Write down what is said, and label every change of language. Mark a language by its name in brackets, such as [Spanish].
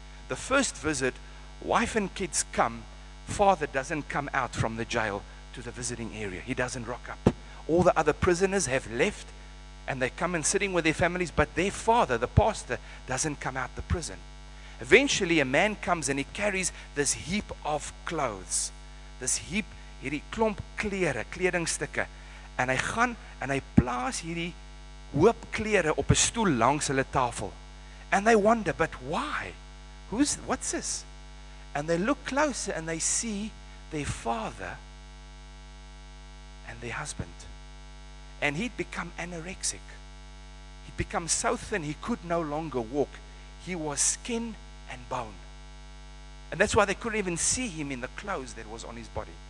[English] The first visit, wife and kids come, father doesn't come out from the jail to the visiting area. He doesn't rock up. All the other prisoners have left, and they come and sitting with their families, but their father, the pastor, doesn't come out the prison. Eventually, a man comes and he carries this heap of clothes. This heap, [Afrikaans] hierdie klomp klere, kledingstukke. [English] And [Afrikaans] hy gaan en hy plaas hierdie hoop klere op 'n stoel langs hulle tafel. [English] And they wonder, but why? What's this? And they look closer and they see their father and their husband. And he'd become anorexic. He'd become so thin he could no longer walk. He was skin and bone. And that's why they couldn't even see him in the clothes that was on his body.